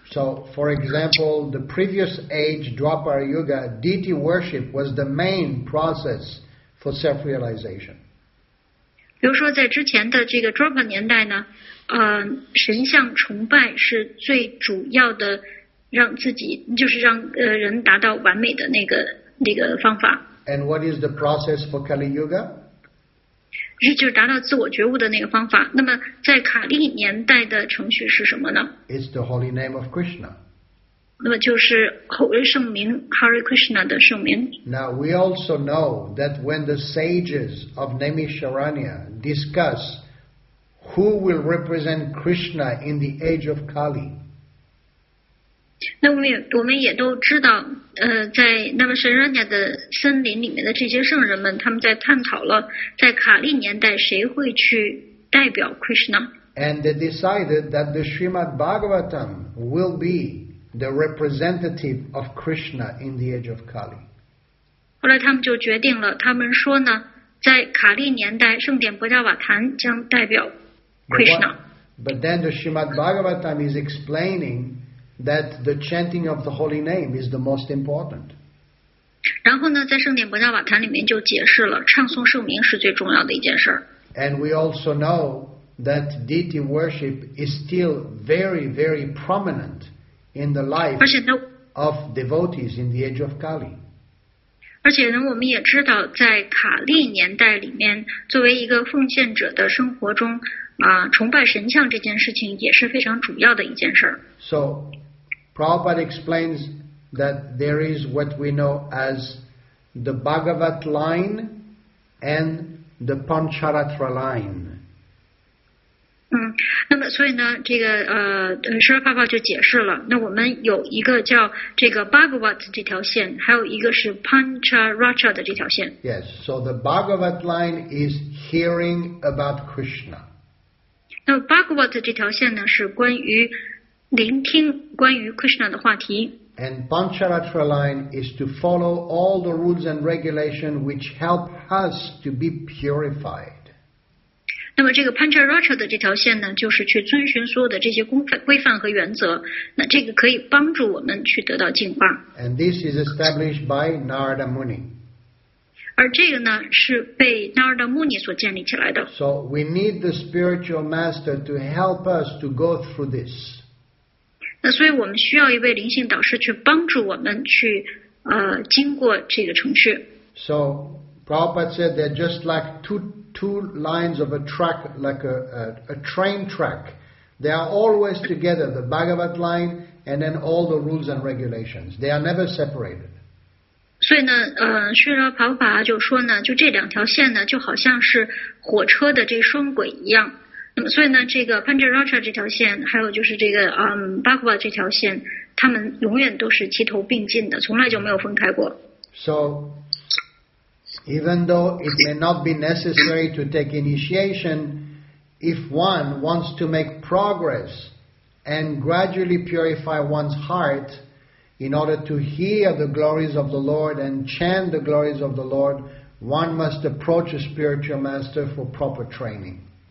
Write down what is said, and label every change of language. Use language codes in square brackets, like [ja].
[en] So, for example, the previous age, Dwapara Yuga, deity worship was the main process for self-realization. [zh] 比如说在之前的这个 Dwapara 年代呢，神像崇拜是最主要的，让自己就是让人达到完美的那个方法。 [en] And what is the process for Kali Yuga? [zh] 就是达到自我觉悟的那个方法。那么在卡利年代的程序是什么呢？ [en] It's the holy name of Krishna. [zh] 那么就是口为圣名 Hare Krishna 的圣名。 [en] Now we also know that when the sages of Naimisharanya discuss. Who will represent Krishna in the age of Kali? [zh] 那我们也都知道，在Naimisharanya的森林里面的这些圣人们，他们在探讨了在卡利年代谁会去代表 Krishna. [en] And they decided that the Srimad Bhagavatam will be the representative of Krishna in the age of Kali. [zh] 后来他们就决定了，他们说呢，在卡利年代，圣典薄伽瓦坛将代表。 [en] But then the Srimad Bhagavatam is explaining that the chanting of the holy name is the most important. [zh] 然后呢，在圣典薄伽瓦坛里面就解释了，唱诵圣名是最重要的一件事。 [en] And we also know that deity worship is still very, very prominent in the life of devotees in the age of Kali. [zh] 而且呢，我们也知道，在卡利年代里面，作为一个奉献者的生活中，崇拜神像这件事情也是非常主要的一件事。 [en] So, Prabhupada explains that there is what we know as the Bhagavat line and the Pancharatra line. [zh] 那么所以呢，这个释迦牟尼佛就解释了。那我们有一个叫这个 Bhagavat 这条线，还有一个是 Pancharatra 的这条线。 [en] Yes, so the Bhagavat line is hearing about Krishna. [zh] 那 Bhagavat 这条线呢，是关于聆听关于 Krishna 的话题。 [en] And Pancharatra line is to follow all the rules and regulations which help us to be purified. [zh] 那么这个 Pancharatra 的这条线呢，就是去遵循所有的这些规范和原则，那这个可以帮助我们去得到净化。 [en] And this is established by Narada Muni. [zh] 而这个呢，是被 Narada Muni 所建立起来的。 [en] So we need the spiritual master to help us to go through this. [zh] 那所以我们需要一位灵性导师去帮助我们去经过这个程序。 [en] So Prabhupada said they're just like two lines of a track, like a train track. They are always together, the Bhagavad line and then all the rules and regulations. They are never separated. [zh] 所以呢，嗯，释迦牟尼佛就说呢，就这两条线呢，就好像是火车的这双轨一样。那么，所以呢，这个潘哲拉扎这条线，还有就是这个巴库巴这条线，他们永远都是齐头并进的，从来就没有分开过。 [en] So, even though it may not be necessary to take initiation, if one wants to make progress and gradually purify one's heart in order to hear the glories of the Lord and chant the glories of the Lord, one must approach a spiritual master for proper training.